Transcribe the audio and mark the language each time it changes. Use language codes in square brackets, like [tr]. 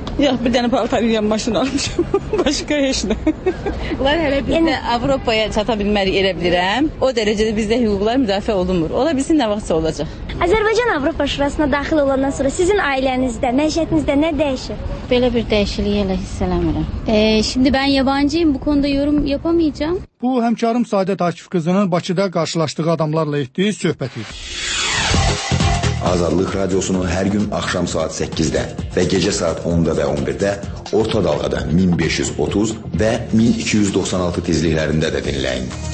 [az] Yox, bir dənə paltar yeyən maşın almışam. Başqa heç nə. Bunlar hələ bir yəni, Avropaya çata bilməli elə bilirəm. O dərəcədə bizdə hüquqlar müdafiə olunmur. Ola bilsin nə vaxtsa olacaq. Azərbaycan Avropa Şurasına daxil olandan sonra sizin ailənizdə, məişətinizdə nə dəyişir? Belə bir dəyişikliyi elə hiss eləmirəm. [tr] Şimdi ben yabancıyım, bu konuda yorum yapamayacağım. [az] Bu həmkarım Saadət Akifqızının Bakıda qarşılaşdığı adamlarla etdiyi söhbətidir. Azadlıq Radiosunu hər gün axşam saat 8-də və gecə saat 10-da və 11-də orta dalğada 1530 və 1296 tezliklərində də dinləyin.